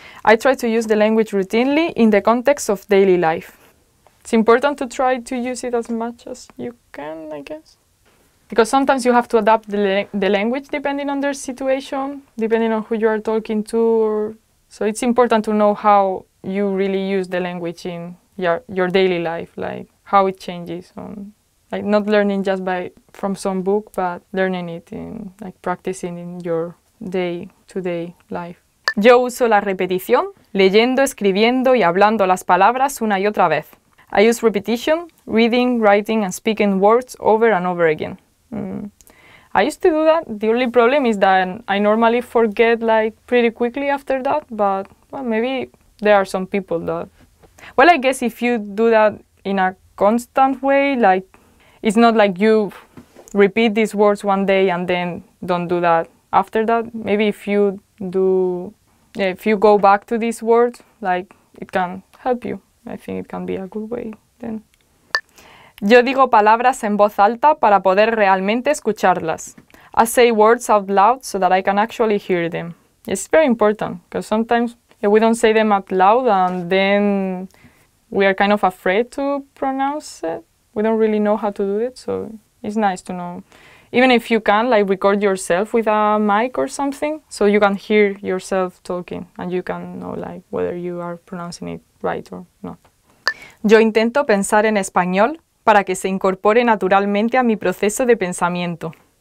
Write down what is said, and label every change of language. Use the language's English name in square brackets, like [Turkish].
[English] I try to use the language routinely in the context of daily life. It's important to try to use it as much as you can, I guess. Because sometimes you have to adapt the language depending on their situation, depending on who you are talking to. So it's important to know how you really use the language in your daily life, like how it changes on like not learning just by from some book, but learning it in like practicing in your day-to-day life. [Spanish] Yo uso la repetición, leyendo, escribiendo y hablando las palabras una y otra vez. [English] I use repetition, reading, writing and speaking words over and over again. I used to do that. The only problem is that I normally forget like pretty quickly after that, but well, maybe there are some people that... Well, I guess if you do that in a constant way, like it's not like you repeat these words one day and then don't do that after that. Maybe if you do, yeah, if you go back to these words, like it can help you. I think it can be a good way then. [Spanish] Yo digo palabras en voz alta para poder realmente escucharlas. [English] I say words out loud so that I can actually hear them. It's very important because sometimes we don't say them out loud and then we are kind of afraid to pronounce it. We don't really know how to do it, so it's nice to know. Even if you can, like record yourself with a mic or something so you can hear yourself talking and you can know like whether you are pronouncing it right or not. [Spanish] Yo intento pensar en español para que se incorpore naturalmente a mi proceso de pensamiento.